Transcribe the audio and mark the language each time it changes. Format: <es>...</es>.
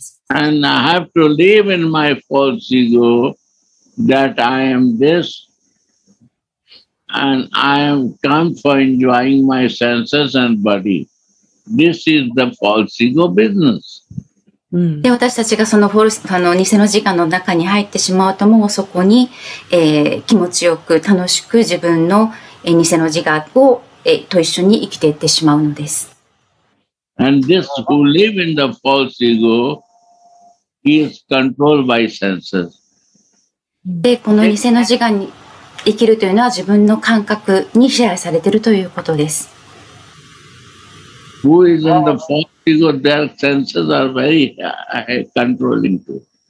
<en>And I have to live in my false ego that I am this and I am come for enjoying my senses and bodyThis is the false ego business.</en> <ja>で私たちがその偽の自我の中に入ってしまうともうそこに、気持ちよく楽しく自分の、偽の自我を、と一緒に生きていってしまうのです。</ja> <en>And this who live in the false ego is controlled by senses.</en> <ja>でこの偽の自我に生きるというのは自分の感覚に支配されているということです。</ja> <en>Who is in the false ego, their senses are very controlling too.</en>